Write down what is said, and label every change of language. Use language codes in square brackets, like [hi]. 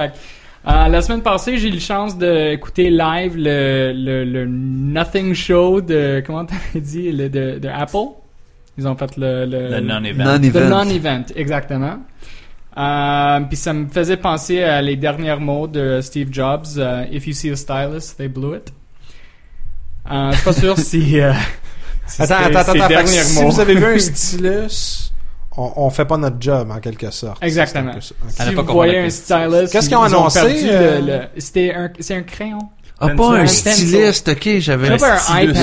[fr] Fait que, la semaine passée, j'ai eu la chance d'écouter live le Nothing Show de, comment t'avais dit, de Apple. Ils ont fait le non-event. Le non-event, exactement. Puis ça me faisait penser à les derniers mots de Steve Jobs. [en] If you see a stylus, they blew it. [fr] Je suis pas sûr si... Si vous avez vu un stylus, on fait pas notre job en quelque sorte. Exactement. Okay. Si vous voyez un stylus, qu'est-ce qu'ils ont annoncé? C'est un crayon. Ah, pas un styliste, ok, j'avais un stylus.